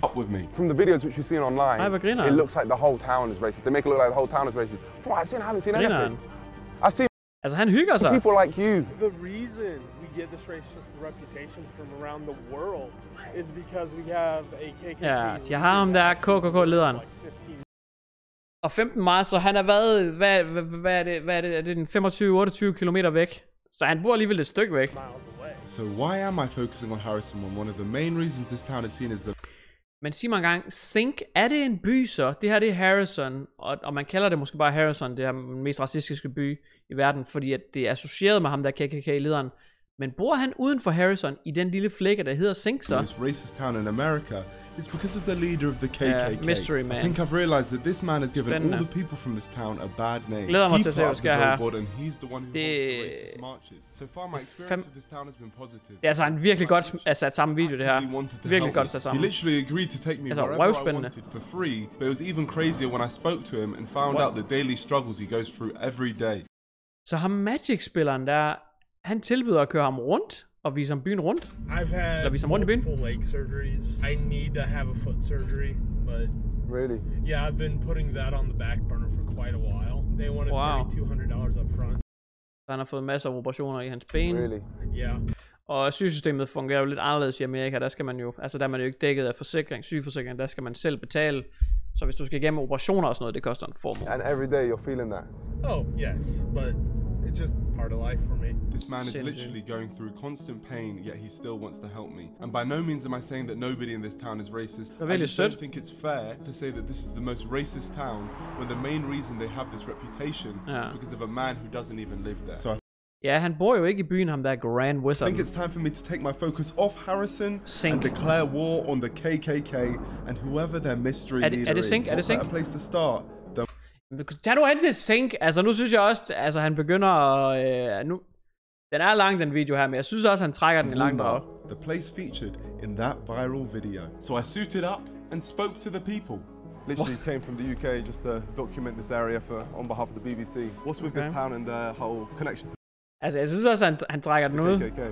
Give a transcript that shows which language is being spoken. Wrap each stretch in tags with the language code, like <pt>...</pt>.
<en>Up with me. From the videos which you've seen online, it looks like the whole town is racist. They make it look like the whole town is racist. For what I've seen, I haven't seen anything. I see.</en> <da>Altså, han hygger sig.</da> <en>People like you. The reason we get this racist reputation from around the world is because we have a KKK.</en> <da>Ja, jeg har ham der, KKK-lederen. Og 15 miles, så han er hvad er det, er det 25-28 km væk? Så han bor alligevel et stykke væk.</da> <en>So why am I focusing on Harrison when one of the main reasons this town is seen as the...</en> <da>Men sig mig engang, Sink, er det en by så? Det her, det er Harrison, og man kalder det måske bare Harrison, det er den mest racistiske by i verden, fordi at det er associeret med ham, der KKK-lederen. Men bor han uden for Harrison i den lille flække, der hedder Sink så?</da> <en>This racist town in America is because of the leader of the KKK. Mystery man. I think I've realized that this man has given all the people from this town a bad name.</en> <da>Glæder mig til at se, hvad sker her.</da> <en>He's the one who wants the racist marches. So far, my experience of this town has been positive.</en> <da>Det er altså en virkelig godt sat samme video, det her. Virkelig godt sat sammen.</da> <en>He literally agreed to take me wherever I wanted for free, but it was even crazier when I spoke to him and found out the daily struggles he goes through every day.</en> <da>Så ham Magic-spilleren der, han tilbyder at køre ham rundt og vise ham byen rundt.</da> <en>I've had multiple leg surgeries. I need to have a foot surgery, but really? Yeah, I've been putting that on the back burner for quite a while. They wanted $3,200 up front.</en> <da>Så han har fået masser af operationer i hans ben.</da> <en>Really? Yeah.</en> <da>Og sygesystemet fungerer jo lidt anderledes i Amerika. Der skal man jo, altså der er man jo ikke dækket af forsikring, sygeforsikring, der skal man selv betale. Så hvis du skal igennem operationer og sådan noget, det koster en formue.</da> <en>And every day you're feeling that. Oh, yes, but it's just part of life for me. This man is literally going through constant pain, yet he still wants to help me. And by no means am I saying that nobody in this town is racist. Really, I just don't think it's fair to say that this is the most racist town when the main reason they have this reputation is because of a man who doesn't even live there. So</en> <da>yeah, han bor jo ikke i byen, ham der Grand Wizard.</da> <en>I think it's time for me to take my focus off Harrison and declare war on the KKK and whoever their mystery leader is. What better place to start?</en> <da>Tag nu hen til Sink. Altså nu synes jeg også, altså han begynder at nu. Den er lang, den video her, men jeg synes også han trækker den langt op.</da> <en>The place featured in that viral video. So I suited up and spoke to the people. Literally came from the UK just to document this area for on behalf of the BBC. What's with this town and the whole connection to?</en> <da>Altså jeg synes også han trækker den ud.</da>